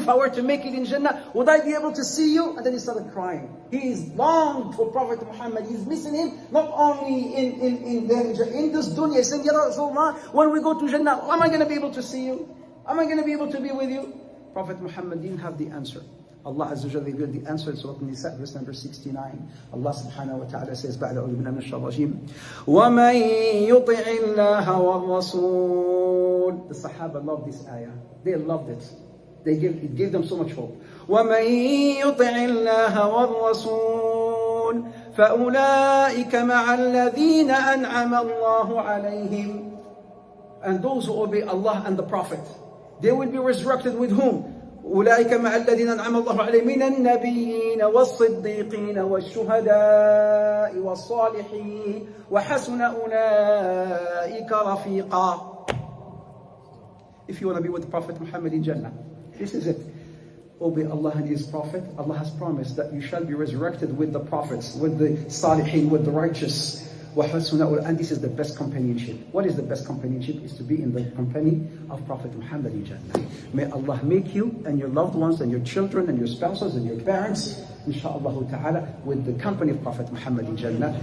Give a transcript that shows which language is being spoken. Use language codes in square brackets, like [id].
[en] If I were to make it in Jannah, would I be able to see you? And then he started crying. He is longed for Prophet Muhammad. He's missing him, not only in this dunya. He said, Ya Rasulullah, when we go to Jannah, am I going to be able to see you? Am I going to be able to be with you? Prophet Muhammad didn't have the answer. Allah Azza wa Jalla revealed the answer in Surah An-Nisa, verse number 69. Allah Subhanahu wa Ta'ala says, [ar] بَعْدَ أَوْلِ مِنَ الشَّرَّ رَجِيمٍ وَمَنْ يُطِعِ اللَّهَ وَالرَّسُولِ. [en] The Sahaba loved this ayah. They loved it. It gave them so much hope. [ar] وَمَنْ يُطِعِ اللَّهَ وَالرَّسُولِ فَأُولَٰئِكَ مَعَ الَّذِينَ أَنْعَمَ اللَّهُ عَلَيْهِمْ. [en] And those who obey Allah and the Prophet, they will be resurrected with whom? [ar] أولئك مع الذين أنعم الله عليهم من النبيين والصديقين والشهداء والصالحين وحسن أولئك رفيقا. [en] If you want to be with the Prophet Muhammad in Jannah, this is it. Obey Allah and His Prophet. Allah has promised that you shall be resurrected with the prophets, with the salihin, with the righteous. And this is the best companionship. What is the best companionship? Is to be in the company of Prophet Muhammad in Jannah. May Allah make you and your loved ones and your children and your spouses and your parents, inshaAllah ta'ala, with the company of Prophet Muhammad in Jannah.